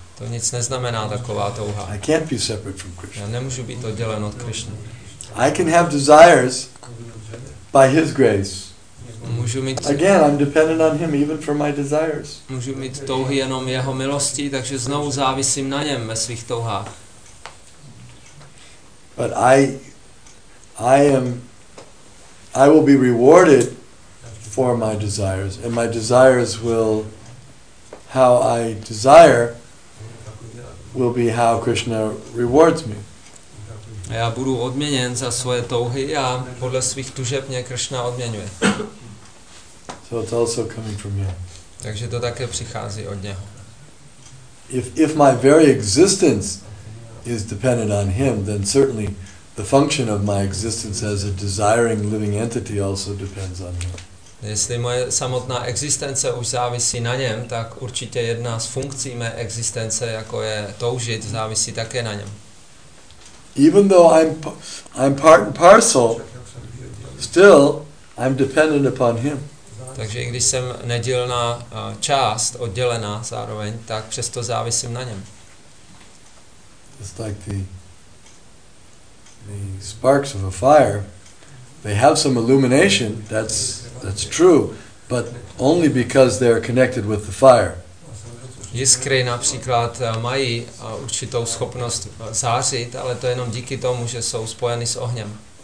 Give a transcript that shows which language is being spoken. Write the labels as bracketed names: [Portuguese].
[Czech] To nic neznamená taková touha. [English] I can't be separate from Krishna. [Czech] Já nemůžu být oddělen od Krishna. [English] I can have desires by his grace. [Czech] Můžu mít. [English] Again, I'm dependent on him even for my desires. [Czech] Můžu mít touhy jenom jeho milosti, takže znovu závisím na něm ve svých touhách. [English] But I will be rewarded for my desires, and my desires will, how I desire, will be how Krishna rewards me. [Czech] Já budu odměněn za svoje touhy a podle svých tužeb mě Krishna odměňuje. [English] So it's also coming from him. [Czech] Takže to také přichází od něho. [English] If my very existence is dependent on him, then certainly the function of my existence as a desiring living entity also depends on him. [Czech] Jestli moje samotná existence už závisí na něm, tak určitě jedna z funkcí mé existence, jako je toužit, závisí také na něm. [English] Even though I'm part and parcel, still I'm dependent upon him. [Czech] Takže i když jsem nedílná část, oddělená zároveň, tak přesto závisím na něm. [English] It's like the sparks of a fire, they have some illumination, that's true, but only because they are connected with the fire. [Czech] jiskry například mají určitou schopnost zářit, ale to jenom díky tomu, že jsou spojeny s ohněm.